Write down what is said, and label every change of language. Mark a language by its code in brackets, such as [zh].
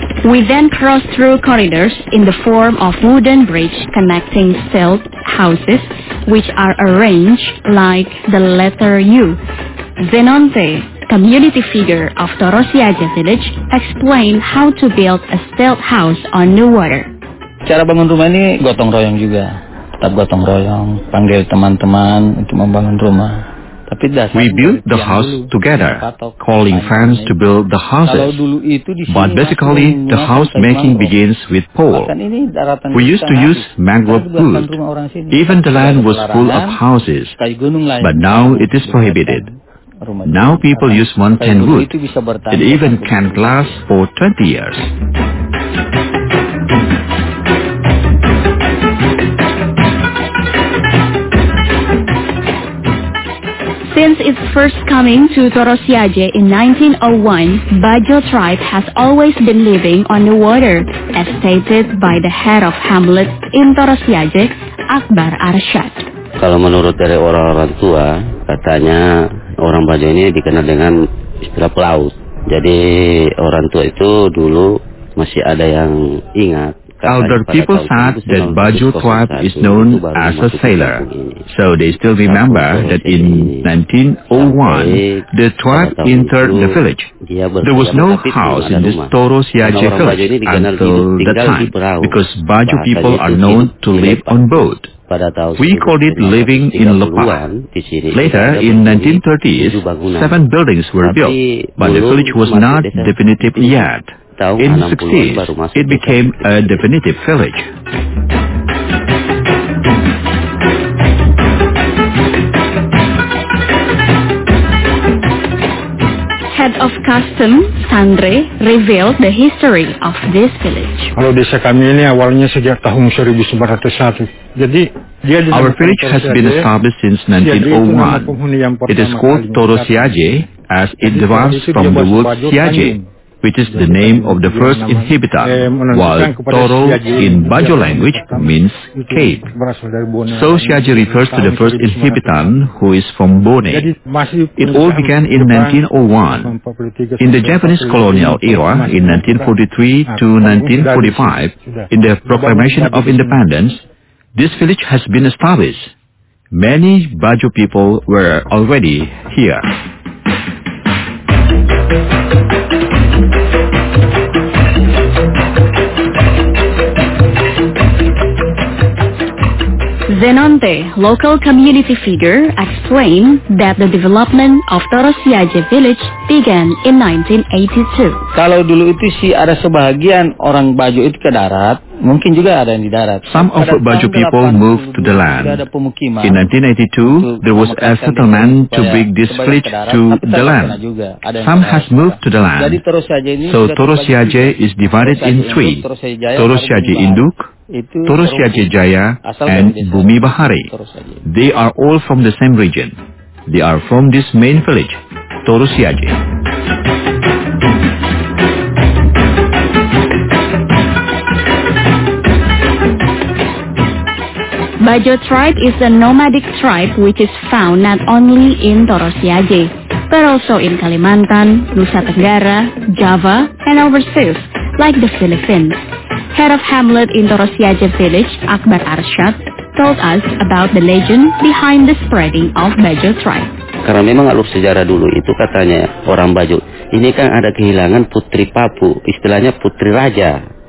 [en] We then cross through corridors in the form of wooden bridge connecting silt houses, which are arranged like the letter U. Zenonte, community figure of Torosiaje Village, explained how to build a stilt house on new water. [id] Cara bangun rumah ini gotong royong juga. Tetap gotong royong, panggil teman-teman untuk membangun rumah. [en] We built the house together, calling fans to build the houses. But basically, the house making begins with pole. We used to use mangrove wood. Even the land was full of houses, but now it is prohibited. Now people use mountain wood. It even can last for 20 years. Since its first coming to Torosiaje in 1901, Bajo tribe has always been living on the water, as stated by the head of hamlet in Torosiaje, Akbar Arsyad. [id] Kalau menurut dari orang-orang tua, katanya orang Bajo ini dikenal dengan istilah pelaut. Jadi orang tua itu dulu masih ada yang ingat. [en] Elder people said that Bajo tribe is known as a sailor, so they still remember that in 1901, the tribe entered the village. There was no house in this Torosiaje village until that time, because Bajo people are known to live on boat. We called it living in Lepa. Later, in 1930s, 7 buildings were built, but the village was not definitive yet. In the 60s, it became a definitive village. Head of custom, Sandre, revealed the history of this village. [id] Kalau desa kami ini awalnya sejak tahun 1901. Jadi, [en] our village has been established since 1901. It is called Torosiaje, as it derives from the word Siaje, which is the name of the first inhabitant, while Toro in Bajo language means cape. So Siaje refers to the first inhabitant, who is from Bone. It all began in 1901. In the Japanese colonial era, in 1943 to 1945, in the Proclamation of Independence, this village has been established. Many Bajo people were already here. Zenonte, local community figure, explained that the development of Torosiaje village began in 1982. [id] Kalau dulu itu sih ada sebagian orang Bajo itu ke darat, mungkin juga ada yang di darat. [en] Some of Bajo people moved to the land. In 1982, there was a settlement to bring this village to the land. Some has moved to the land. So Torosiaje is divided in three: Torosiaje Induk, Torosiaje Jaya, and Bumi Bahari. They are all from the same region. They are from this main village, Torosiaje. Bajo tribe is a nomadic tribe which is found not only in Torosiaje, but also in Kalimantan, Nusa Tenggara, Java, and overseas, like the Philippines. Head of hamlet in Torosiaje village, Akbar Arsyad, told us about the legend behind the spreading of Bajo tribe. [id] Karena memang alur sejarah dulu itu katanya orang Bajo, ini kan ada kehilangan Putri Papu, istilahnya Putri Raja.